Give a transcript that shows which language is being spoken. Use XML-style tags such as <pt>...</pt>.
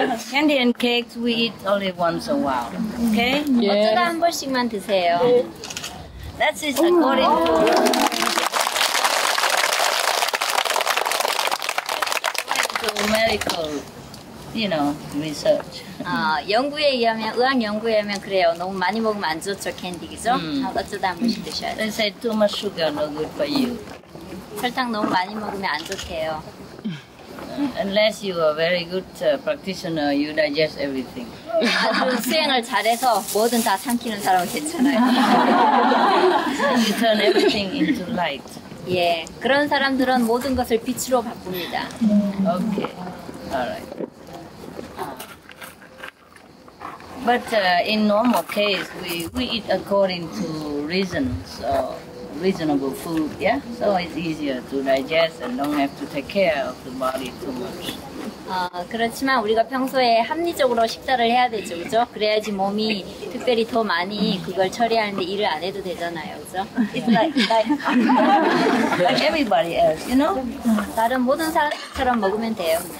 <en>Candy and cakes we eat only once a while. Okay?</en> <ko>어쩌다 한 번씩만 드세요.</ko> <en>That's it, according to... medical, you know, research.</en> <ko>연구에 의하면, 의학 연구에 의하면 그래요. 너무 많이 먹으면 안 좋죠, 캔디, 그죠? 어쩌다 한 번씩 드셔야 돼요.</ko> <en>They say too much sugar, no good for you.</en> <ko>설탕 너무 많이 먹으면 안 좋대요.</ko> <en>Unless you are a very good practitioner, you digest everything.</en> <ko>아주 수행을 잘해서 뭐든 다 삼키는 사람은 괜찮아요.</ko> <en>You turn everything into light.</en> <ko>예, 그런 사람들은 모든 것을 빛으로 바꿉니다.</ko> <en>Okay, alright. But in normal case, we eat according to reason, so reasonable food, yeah? So it's easier to digest and don't have to take care of the body too much.</en> <ko>그렇지만 우리가 평소에 합리적으로 식사를 해야 되죠, 그죠? 그래야지 몸이 특별히 더 많이 그걸 처리하는데 일을 안 해도 되잖아요, 그죠?</ko> <en>It's like everybody else, you know?</en> <ko>다른 모든 사람처럼 먹으면 돼요.</ko>